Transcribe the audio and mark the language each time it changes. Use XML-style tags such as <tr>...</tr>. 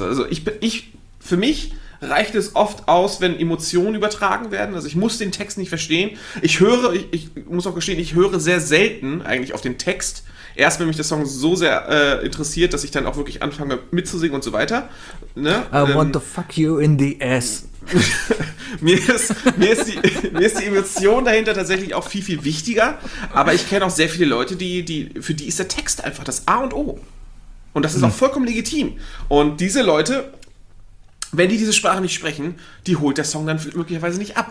<de>Also, für mich reicht es oft aus, wenn Emotionen übertragen werden. Also ich muss den Text nicht verstehen. Ich höre, ich muss auch gestehen, ich höre sehr selten eigentlich auf den Text. Erst wenn mich der Song so sehr interessiert, dass ich dann auch wirklich anfange mitzusingen und so weiter. Ne?</de> <en>I want to fuck you in the ass.</en> <de>mir ist die Emotion dahinter tatsächlich auch viel, viel wichtiger. Aber ich kenne auch sehr viele Leute, für die ist der Text einfach das A und O. Und das ist auch vollkommen legitim. Und diese Leute, wenn die diese Sprache nicht sprechen, die holt der Song dann möglicherweise nicht ab.</de>